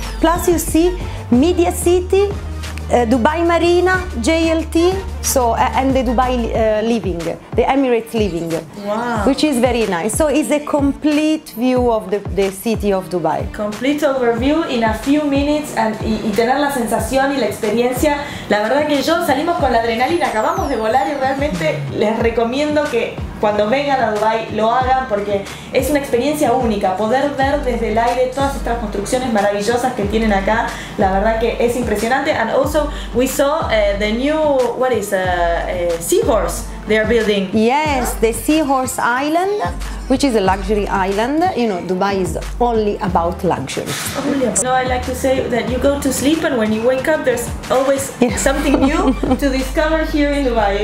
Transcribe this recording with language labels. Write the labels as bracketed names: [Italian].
[English] Plus you see Media City, Dubai Marina, JLT, so and the Dubai Living, the Emirates Living, wow. which is very nice. So it's a complete view of the city of Dubai. Complete overview in a few minutes and [Spanish] y tener la sensación y la experiencia. La verdad que yo salimos con la adrenalina, acabamos de volar y realmente les recomiendo que cuando vengan a Dubai lo hagan porque es una experiencia única, poder ver desde el aire todas estas construcciones maravillosas que tienen acá, la verdad que es impresionante. [English] And also we saw the new, what is, seahorse they are building. Yes, the Seahorse Island, which is a luxury island. You know, Dubai is only about luxury. No, I like to say that you go to sleep and when you wake up, there's always something new to discover here in Dubai.